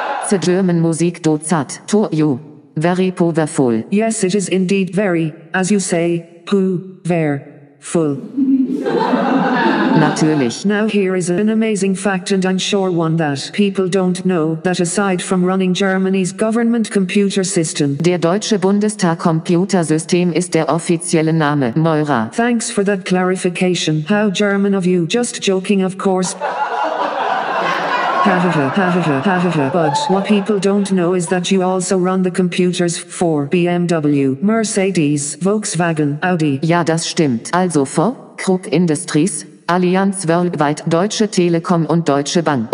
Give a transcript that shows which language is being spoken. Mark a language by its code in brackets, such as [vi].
[en] The German Musik dozat, to you. Very powerful. Yes, it is indeed very, as you say, powerful. [de] Natürlich. [en] Now here is an amazing fact, and I'm sure one that people don't know, that aside from running Germany's government computer system, [de] der deutsche Bundestag-Computersystem ist der offizielle Name, Moira. [en] Thanks for that clarification. How German of you. Just joking, of course. But what people don't know is that you also run the computers for BMW, Mercedes, Volkswagen, Audi. [de] Ja, das stimmt. [en] Also for [de] Krupp Industries, Allianz Worldwide, Deutsche Telekom und Deutsche Bank.